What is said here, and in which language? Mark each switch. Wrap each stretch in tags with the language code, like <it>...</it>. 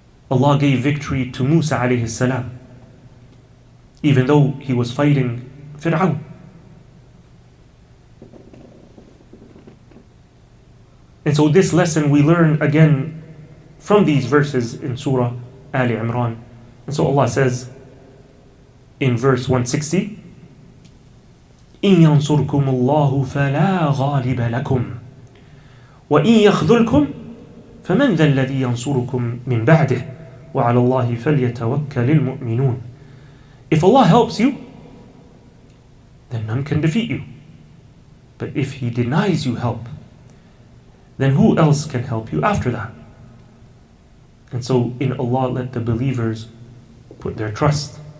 <en>Allah gave victory to Musa alayhi salam, even though he was fighting Fir'aun. And so this lesson we learn again from these verses in Surah Ali Imran. And so Allah says in verse 160,</en> <ar>إِن يَنْصُرْكُمُ اللَّهُ فَلَا غَالِبَ لَكُمْ وَإِن يَخْذُلْكُمْ فَمَنْ ذَا الَّذِي يَنْصُرُكُمْ مِنْ بَعْدِهِ وَعَلَى اللَّهِ فَلْيَتَوَكَّلِ الْمُؤْمِنُونَ.</ar> <en>If Allah helps you, then none can defeat you. But if He denies you help, then who else can help you after that? And so in Allah let the believers put their trust.</en>